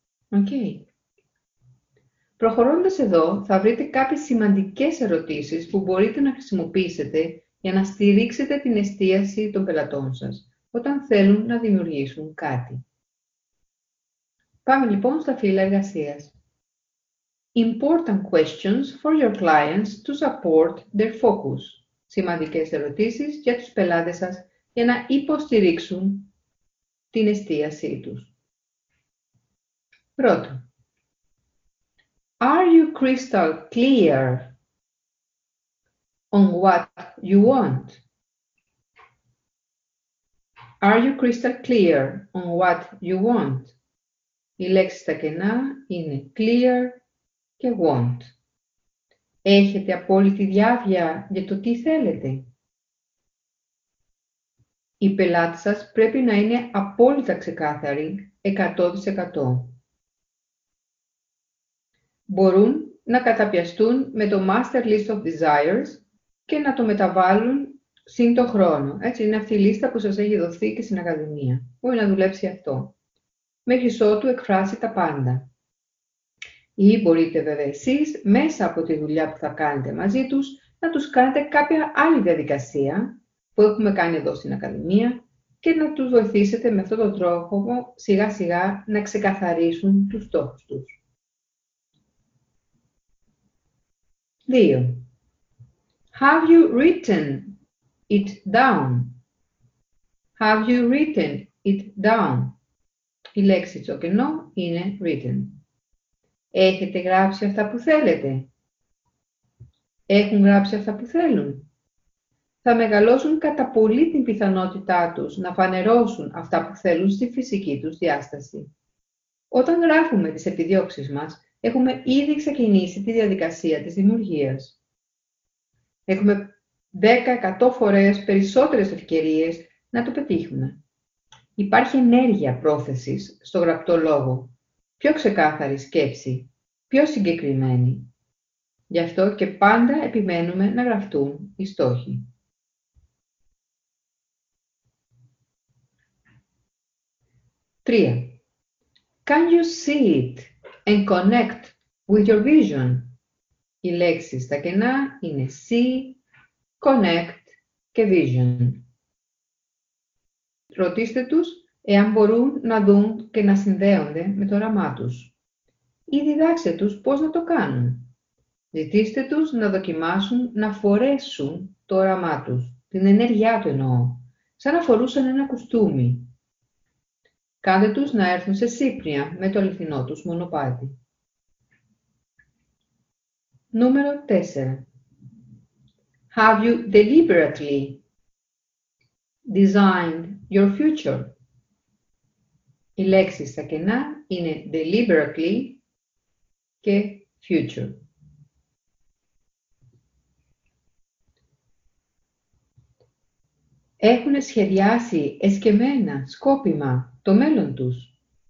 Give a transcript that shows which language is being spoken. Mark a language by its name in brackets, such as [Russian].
[Greek] Okay. Προχωρώντας εδώ, θα βρείτε κάποιες σημαντικές ερωτήσεις που μπορείτε να χρησιμοποιήσετε για να στηρίξετε την εστίαση των πελατών σας, όταν θέλουν να δημιουργήσουν κάτι. Πάμε λοιπόν στα φύλλα εργασίας. [English] Important questions for your clients to support their focus. [Greek] Σημαντικές ερωτήσεις για τους πελάτες σας για να υποστηρίξουν την εστίασή τους. Πρώτο. [English] Are you crystal clear on what you want? Are you crystal clear on what you want? [Greek] Οι λέξεις στα κενά είναι clear και want. Έχετε απόλυτη διάβια για το τι θέλετε. Η πελάτη σας πρέπει να είναι απόλυτα ξεκάθαρη, 100%. Μπορούν να καταπιαστούν με το Master List of Desires και να το μεταβάλουν σύν το χρόνο. Έτσι, είναι αυτή η λίστα που σας έχει δοθεί και στην Ακαδημία. Μπορεί να δουλέψει αυτό. Μέχρι ότου εκφράσει τα πάντα. Ή μπορείτε βέβαια εσείς, μέσα από τη δουλειά που θα κάνετε μαζί τους, να τους κάνετε κάποια άλλη διαδικασία που έχουμε κάνει εδώ στην Ακαδημία και να τους βοηθήσετε με αυτόν τον τρόπο σιγά σιγά να ξεκαθαρίσουν τους στόχους τους. 2. [English] Have you written it down? Have you written it down? [Greek] Η λέξη τσοκενό είναι written. Έχετε γράψει αυτά που θέλετε? Έχουν γράψει αυτά που θέλουν? Θα μεγαλώσουν κατά πολύ την πιθανότητά τους να φανερώσουν αυτά που θέλουν στη φυσική τους διάσταση. Όταν γράφουμε τις επιδιώξεις μας, έχουμε ήδη ξεκινήσει τη διαδικασία της δημιουργίας. Έχουμε 10-100 φορές περισσότερες ευκαιρίες να το πετύχουμε. Υπάρχει ενέργεια πρόθεσης στο γραπτό λόγο. Πιο ξεκάθαρη σκέψη. Πιο συγκεκριμένη. Γι' αυτό και πάντα επιμένουμε να γραφτούν οι στόχοι. 3. [English] Can you see it and connect with your vision? [Greek] Οι λέξεις στα κενά είναι see, connect και vision. Ρωτήστε τους εάν μπορούν να δουν και να συνδέονται με το όραμά τους. Ή διδάξτε τους πώς να το κάνουν. Ζητήστε τους να δοκιμάσουν να φορέσουν το όραμά τους, την ενέργειά του εννοώ, σαν να φορούσαν ένα κουστούμι. Κάντε τους να έρθουν σε σύμπνοια με το αληθινό τους μονοπάτι. Νούμερο 4. [English] Have you deliberately designed your future? [Greek] Η λέξη στα κενά είναι deliberately και future. Έχουν σχεδιάσει εσκεμμένα, σκόπιμα, το μέλλον τους.